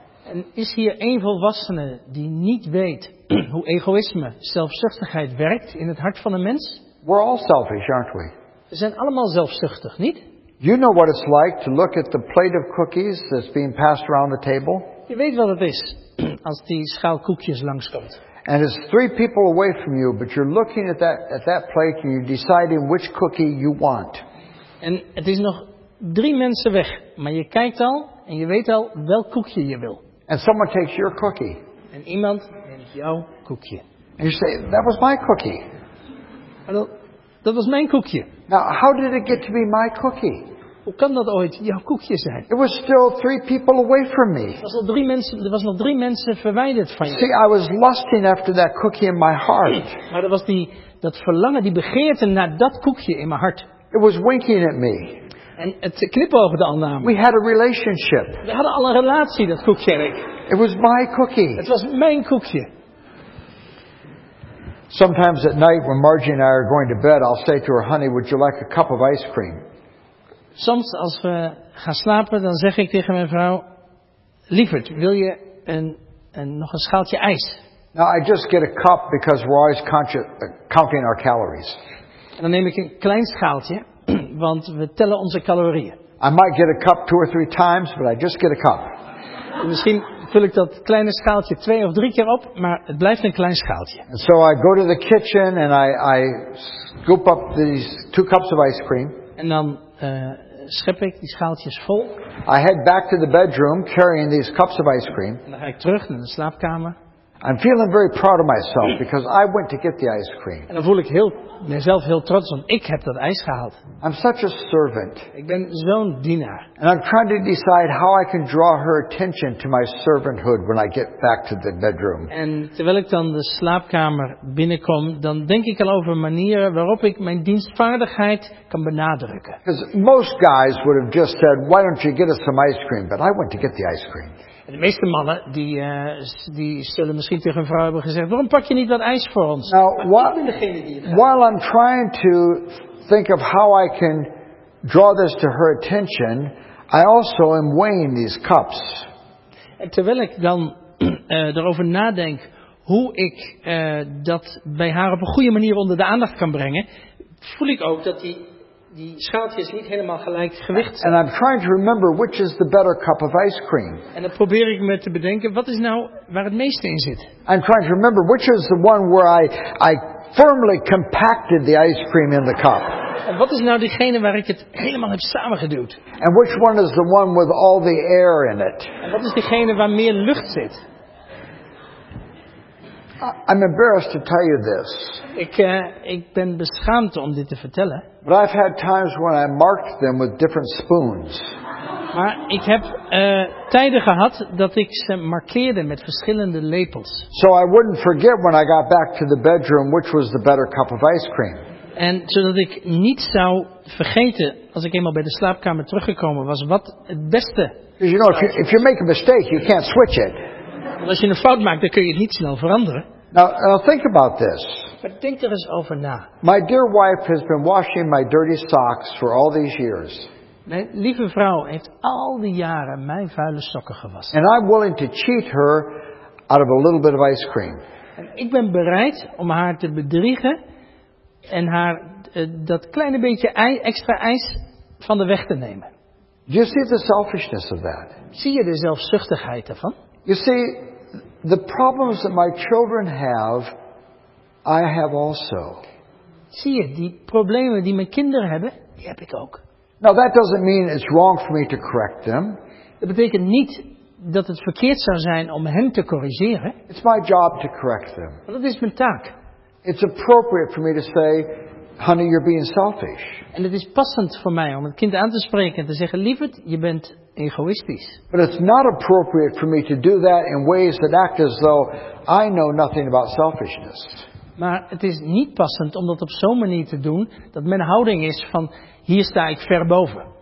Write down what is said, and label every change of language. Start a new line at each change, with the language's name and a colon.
Dutch: En is hier één volwassene die niet weet hoe egoïsme, zelfzuchtigheid werkt in het hart van een mens?
English: We're all selfish, aren't we?
Dutch: We zijn allemaal zelfzuchtig, niet?
English: You know what it's like to look at the plate of cookies that's being passed around the table.
Dutch: Je weet wat het is als die schaal koekjes langskomt.
English: And it's three people away from you, but you're looking at that plate and you're deciding which cookie you want.
Dutch: En het is nog drie mensen weg, maar je kijkt al en je weet al welk koekje je wil.
English: And someone takes your cookie.
Dutch: En iemand neemt jouw koekje.
English: And you say, that was my cookie.
Dutch: Hallo. Dat was mijn koekje.
English: Now, how did it get to be my cookie?
Dutch: Hoe kan dat ooit jouw koekje zijn?
English: It was still three people away from me.
Dutch: Er was nog drie mensen verwijderd van je.
English: See, I was lusting after that cookie in my heart.
Dutch: Maar dat was dat verlangen, die begeerte naar dat koekje in mijn hart.
English: It was winking at me.
Dutch: En het knipoogde al naar me.
English: We had a relationship.
Dutch: We hadden al een relatie, dat koekje en ik.
English: It was my cookie.
Dutch: Het was mijn koekje.
English: Sometimes at night when Margie and I are going to bed, I'll say to her, honey, would you like a cup of ice cream?
Dutch: Soms als we gaan slapen, dan zeg ik tegen mijn vrouw, Lieverd, wil je nog een schaaltje ijs?
English: No, I just get a cup because we're always counting our calories.
Dutch: En dan neem ik een klein schaaltje, want we tellen onze calorieën.
English: I might get a cup two or three times, but I just get a cup.
Dutch: Misschien vul ik dat kleine schaaltje twee of drie keer op, maar het blijft een klein schaaltje.
English: And so I go to the kitchen and I scoop up these two cups of ice cream.
Dutch: En dan schep ik die schaaltjes vol.
English: I head back to the bedroom carrying these cups of ice cream.
Dutch: En dan ga ik terug naar de slaapkamer.
English: I'm feeling very proud of myself because I went to get the ice cream.
Dutch: En dan voel ik mezelf heel trots, want ik heb dat ijs gehaald.
English: I'm such a servant.
Dutch: Ik ben zo'n dienaar.
English: And I'm trying to decide how I can draw her attention to my servanthood when I get back to the bedroom.
Dutch: En terwijl ik dan de slaapkamer binnenkom, dan denk ik al over manieren waarop ik mijn dienstvaardigheid kan benadrukken.
English: Because most guys would have just said, "Why don't you get us some ice cream?" But I went to get the ice cream.
Dutch: De meeste mannen die zullen misschien tegen een vrouw hebben gezegd: waarom pak je niet dat ijs voor ons?
English: Now, while I'm trying to think of how I can draw this to her attention, I also am weighing these cups.
Dutch: En terwijl ik dan erover nadenk hoe ik dat bij haar op een goede manier onder de aandacht kan brengen, voel ik ook dat die schaaltjes niet helemaal gelijk gewicht zijn.
English: And I'm trying to remember which is the better cup of ice cream.
Dutch: En dan probeer ik me te bedenken wat is nou waar het meeste in zit.
English: I'm trying to remember which is the one where I firmly compacted the ice cream in the cup.
Dutch: En wat is nou diegene waar ik het helemaal heb samengeduwd?
English: And which one is the one with all the air in it?
Dutch: En wat is diegene waar meer lucht zit?
English: I'm embarrassed to tell you this.
Dutch: Ik ben beschaamd om dit te vertellen.
English: But I've had times when I marked them with different spoons.
Dutch: Maar ik heb tijden gehad dat ik ze markeerde met verschillende lepels.
English: So I wouldn't forget when I got back to the bedroom which was the better cup of ice cream.
Dutch: En zodat ik niet zou vergeten als ik eenmaal bij de slaapkamer teruggekomen was wat het beste.
English: You know, if you make a mistake, you can't switch it.
Dutch: Als je een fout maakt, dan kun je het niet snel veranderen.
English: Now think about this.
Dutch: Maar denk er eens over na.
English: My dear wife has been washing my dirty socks for all these years.
Dutch: Mijn lieve vrouw heeft al die jaren mijn vuile sokken gewassen.
English: And I'm willing to cheat her out of a little bit of ice cream.
Dutch: En ik ben bereid om haar te bedriegen en haar dat kleine beetje extra ijs van de weg te nemen.
English: You see the selfishness of that.
Dutch: Zie je de zelfzuchtigheid daarvan?
English: You see, the problems that my children have, I have also.
Dutch: Zie je, die problemen die mijn kinderen hebben, die heb ik ook.
English: Now that doesn't mean it's wrong for me to correct them.
Dutch: Dat betekent niet dat het verkeerd zou zijn om hen te corrigeren.
English: It's my job to correct them.
Dutch: Maar dat is mijn taak.
English: It's appropriate for me to say, honey, you're being selfish.
Dutch: En het is passend voor mij om het kind aan te spreken en te zeggen, lieverd, je bent egoïstisch.
English: But it's not appropriate for me to do that in ways that act as though I know nothing about selfishness.
Dutch: Maar het is niet passend om dat op zo'n manier te doen dat mijn houding is van hier sta ik ver boven.